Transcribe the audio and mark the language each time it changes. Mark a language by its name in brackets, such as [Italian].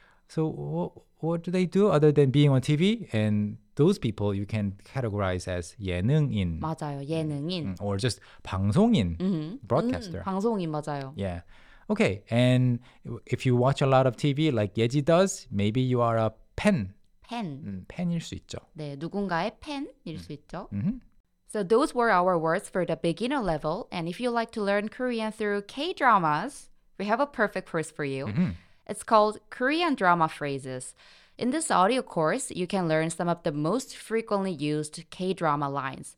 [English] So what do they do other than being on TV? And those people you can categorize as 예능인. [Korean] 맞아요. 예능인. [English] Or just 방송인. Broadcaster. [Korean] 방송인, 맞아요. [English] Yeah. Okay, and if you watch a lot of TV like Yeji does, maybe you are a pen. Pen. [Korean] 펜일 수 있죠. 네, 누군가의 펜일 수 있죠. Mm-hmm. [English] So those were our words for the beginner level. And if you like to learn Korean through K-dramas, we have a perfect course for you. Mm-hmm. It's called Korean Drama Phrases. In this audio course, you can learn some of the most frequently used K-drama lines.